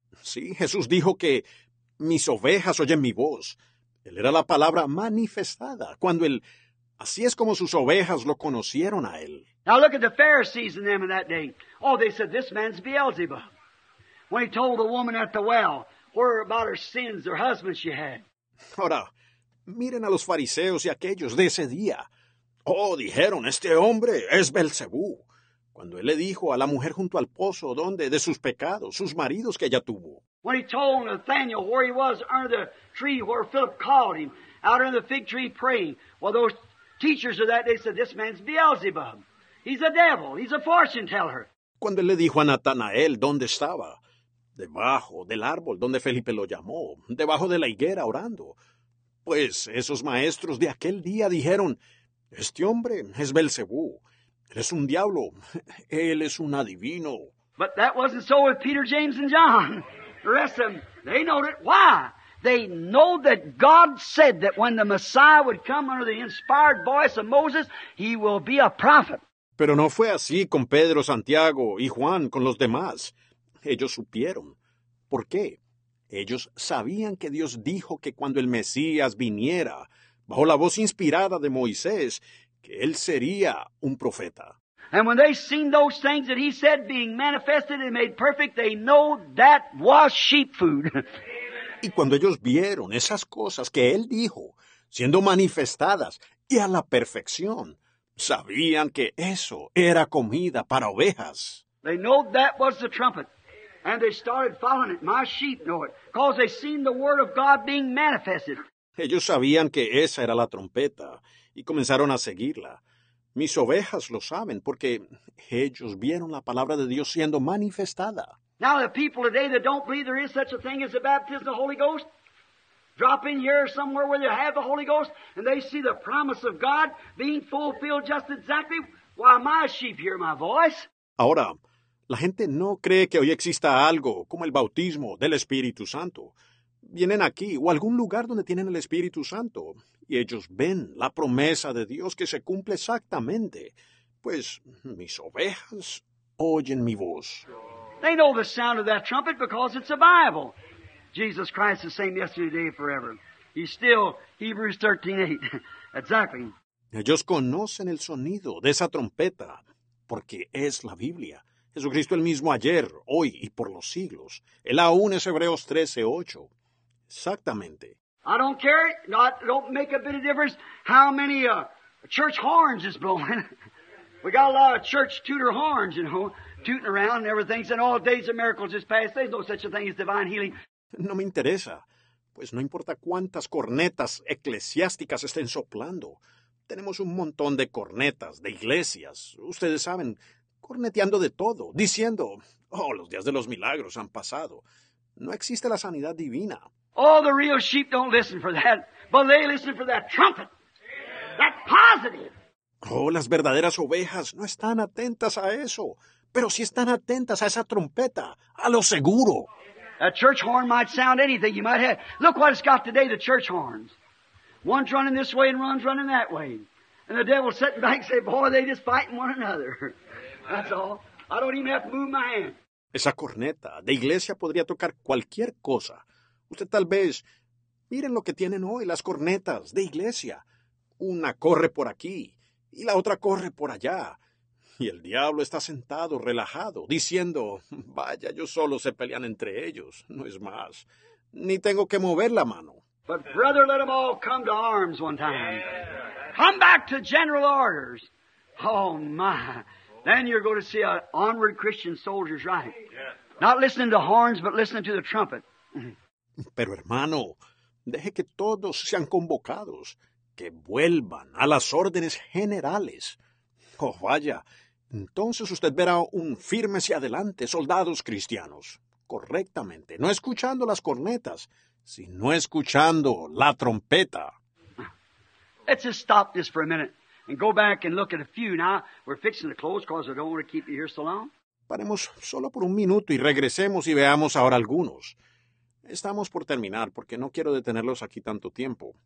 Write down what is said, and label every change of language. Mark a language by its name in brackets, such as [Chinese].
[Spanish] Sí, Jesús dijo que mis ovejas oyen mi voz. Él era la palabra manifestada cuando él... Así es como sus ovejas lo conocieron a él. [English] Now look at the Pharisees and them in that day. Oh, they said, this man's Beelzebub. When he told the woman at the well, where about her sins, her husband she had. [Spanish] Ahora, miren a los fariseos y aquellos de ese día. Oh, dijeron, este hombre es Belcebú. Cuando él le dijo a la mujer junto al pozo, donde de sus pecados, sus maridos que ella tuvo. [English] When he told Nathanael where he was under the tree where Philip called him, out under the fig tree praying, well, those teachers of that day said, this man's Beelzebub. He's a devil. He's a fortune teller. [Spanish] Cuando él le dijo a Natanael dónde estaba, debajo del árbol donde Felipe lo llamó, debajo de la higuera orando, pues esos maestros de aquel día dijeron, este hombre es Belcebú. Él es un diablo. Él es un adivino. [English] But that wasn't so with Peter, James, and John. The rest of them, they know it. Why? They know that God said that when the Messiah would come under the inspired voice of Moses, he will be a prophet. [Spanish] Pero no fue así con Pedro, Santiago y Juan, con los demás. Ellos supieron. ¿Por qué? Ellos sabían que Dios dijo que cuando el Mesías viniera, bajo la voz inspirada de Moisés, que él sería un profeta. [English] And when they seen those things that he said being manifested and made perfect, they know that was sheep food. [Spanish] Y cuando ellos vieron esas cosas que él dijo, siendo manifestadas y a la perfección, sabían que eso era comida para ovejas. [English] They know that was the trumpet, and they started following it. My sheep know it, because they seen the word of God being manifested. [Spanish] Ellos sabían que esa era la trompeta, y comenzaron a seguirla. Mis ovejas lo saben, porque ellos vieron la palabra de Dios siendo manifestada. [English] Now the people today that don't believe there is such a thing as the baptism of the Holy Ghost, drop in here somewhere where you have the Holy Ghost, and they see the promise of God being fulfilled just exactly while my sheep hear my voice. [Spanish] Ahora, la gente no cree que hoy exista algo como el bautismo del Espíritu Santo. Vienen aquí o algún lugar donde tienen el Espíritu Santo, y ellos ven la promesa de Dios que se cumple exactamente. Pues, mis ovejas oyen mi voz. [English] They know the sound of that trumpet because it's a Bible. Jesus Christ is the same yesterday, today, forever. He's still Hebrews 13:8. Exactly. [Spanish] Ellos conocen el sonido de esa trompeta porque es la Biblia. Jesucristo el mismo ayer, hoy y por los siglos. Él aún es Hebreos 13:8. Exactamente. [English] I don't care. No, it don't make a bit of difference how many church horns is blowing. We got a lot of church tutor horns, you know, tooting around and everything. And all days of miracles is past. There's no such a thing as divine healing. [Spanish] No me interesa. Pues no importa cuántas cornetas eclesiásticas estén soplando. Tenemos un montón de cornetas, de iglesias. Ustedes saben, corneteando de todo, diciendo, oh, los días de los milagros han pasado. No existe la sanidad divina. [English] All the real sheep don't listen for that, but they listen for that trumpet. That positive. [Spanish] Oh, las verdaderas ovejas no están atentas a eso, pero sí están atentas a esa trompeta, a lo seguro. [English] A church horn might sound anything you might have. Look what it's got today, the church horns. One's running this way and one's running that way. And the devil's sitting back and say, boy, they just fighting one another. That's all. I don't even have to move my hand. [Spanish] Esa corneta de iglesia podría tocar cualquier cosa. Usted tal vez, miren lo que tienen hoy las cornetas de iglesia. Una corre por aquí y la otra corre por allá. Y el diablo está sentado, relajado, diciendo, vaya, ellos solo se pelean entre ellos, no es más. Ni tengo que mover la mano. [English] But brother, let them all come to arms one time. Come back to general orders. Oh, my. Then you're going to see an armored Christian soldiers, right? Not listening to horns, but listening to the trumpet. [Spanish] Pero hermano, deje que todos sean convocados, que vuelvan a las órdenes generales. Oh, vaya, entonces usted verá un firme hacia adelante, soldados cristianos, correctamente, no escuchando las cornetas, sino escuchando la trompeta. [English] Let's just stop this for a minute and go back and look at a few now. We're fixing the clothes because I don't want to keep you here so long. [Spanish] Paremos solo por un minuto y regresemos y veamos ahora algunos. Estamos por terminar porque no quiero detenerlos aquí tanto tiempo.